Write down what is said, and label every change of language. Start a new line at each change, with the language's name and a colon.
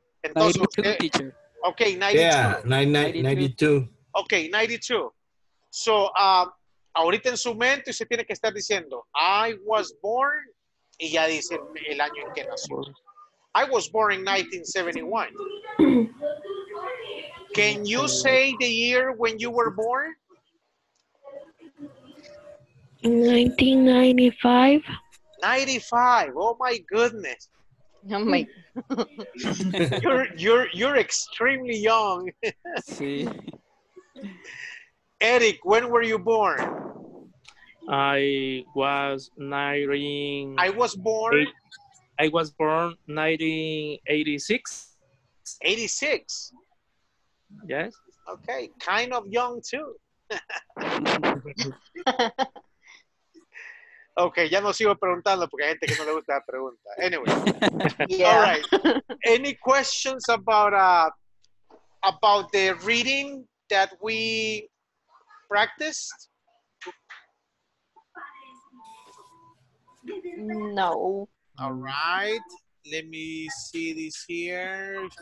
English: Entonces, 92, okay, teacher. Okay, 92. Yeah, 92. Okay, 92.
Spanish: So, ahorita en su mente usted tiene que estar diciendo,
English: I was born,
Spanish: y ya dice el año en que nació.
English: I was born in 1971. Can you say the year when you were born? 1995. 95, oh my goodness. Oh my. you're extremely young.
Spanish: Sí.
English: Eric, when were you born? I was born 1986. 86? Yes. Okay, kind of young too.
Spanish: Okay, ya no sigo preguntando porque hay gente que no le gusta la pregunta.
English: Anyway. Yeah. All right. Any questions about the reading that we practiced? No. All right. Let me see this here.